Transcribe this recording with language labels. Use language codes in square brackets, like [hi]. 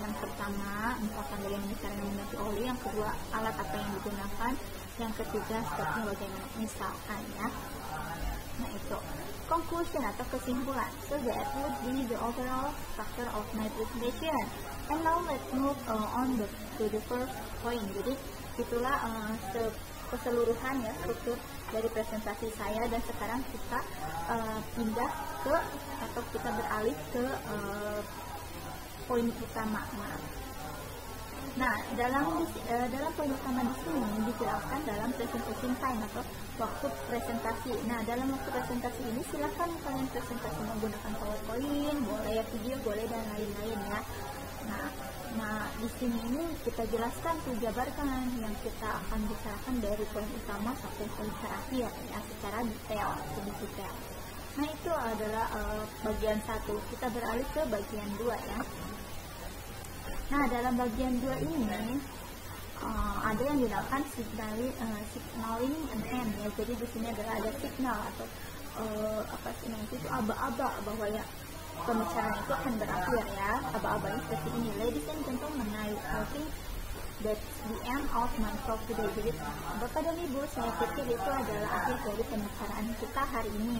[id] Yang pertama misalkan bagaimana cara mengganti oli, yang kedua alat apa yang digunakan, yang ketiga stopnya bagaimana misalkan ya. Nah, itu conclusion atau kesimpulan. [en] So that would be the overall structure of my presentation. And now let's move on to the first point. [id] Jadi itulah keseluruhan ya, struktur dari presentasi saya. Dan sekarang kita pindah ke atau kita beralih ke poin utama. Nah, dalam poin utama di sini dijelaskan dalam presentation time atau waktu presentasi. Nah, dalam waktu presentasi ini silakan kalian presentasi menggunakan PowerPoint, boleh video, boleh dan lain-lain ya. Nah, di sini ini kita jelaskan, kita jabarkan yang kita akan bicarakan dari poin utama sampai poin terakhir ya, secara detail, lebih detail. Nah, itu adalah bagian 1. Kita beralih ke bagian 2 ya. Nah, dalam bagian 2 ini ada yang dinamakan signaling and end ya. Jadi di sini adalah ada signal atau apa signal itu aba-aba bahwa ya pembicaraan itu akan berakhir ya. Aba-abanya seperti ini. [en] Ladies and gentlemen, I think that's the end of my talk today. [id] Jadi Bapak dan Ibu, saya pikir itu adalah akhir dari pembicaraan kita hari ini.